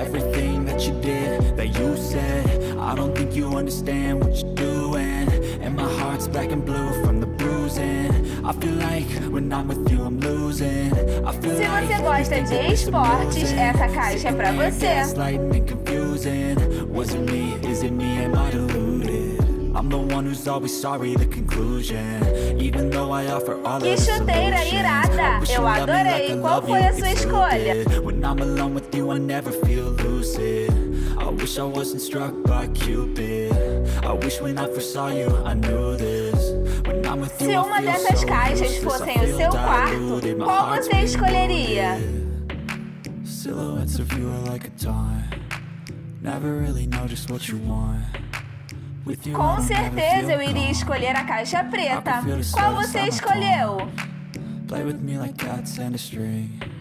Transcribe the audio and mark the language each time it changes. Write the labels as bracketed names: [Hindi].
[English] Everything that you did, that you said, I don't think you understand what you're doing. And my heart's black and blue from the bruising. I feel like when I'm with you, I'm losing. I feel like. [Portuguese] Se você gosta de esportes, essa caixa é pra você. [English] Slightly confusing. Was it me? Is it me? Am I deluded? I'm the one who's always sorry, the conclusion. Even though I offer all the solutions. [Portuguese] Que chuteira irada, eu adorei. Qual foi a sua escolha? [English] When I'm alone with you, I never feel lucid. I wish I wasn't struck by Cupid. I wish when I first saw you, I knew this. When I'm with you, I feel so useless. [Portuguese] Se uma dessas caixas fossem o seu quarto, qual você escolheria? [English] Silhouettes of you are like a time. Never really know just what you want. [Portuguese] Com certeza eu iria escolher a caixa preta. Qual você escolheu? [English] Play with me like cats and a string.